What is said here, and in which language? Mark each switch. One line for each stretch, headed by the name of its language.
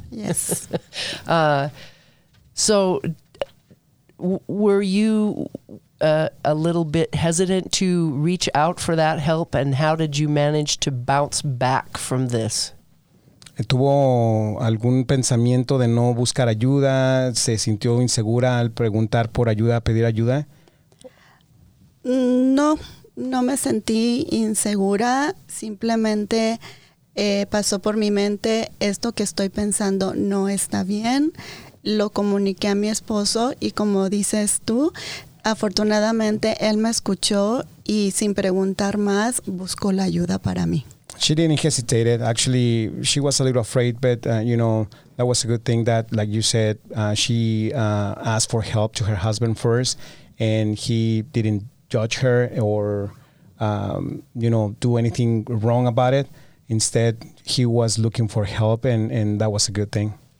English: Yes. Were you a little bit hesitant to reach out for that help, and how did you manage to bounce back from this?
Spanish: ¿Tuvo algún pensamiento de no buscar ayuda? ¿Se sintió insegura al preguntar por ayuda, pedir ayuda? No me sentí insegura. Simplemente pasó por mi mente, esto que estoy pensando no está bien. Lo comuniqué a mi esposo y, como dices tú, afortunadamente él me escuchó y sin preguntar más buscó la ayuda para mí.
English: She didn't hesitate. Actually, she was a little afraid, but, you know, that was a good thing that, like you said, she asked for help to her husband first, and he didn't judge her or, you know, do anything wrong about it. Instead, he was looking for help, and that was a good thing.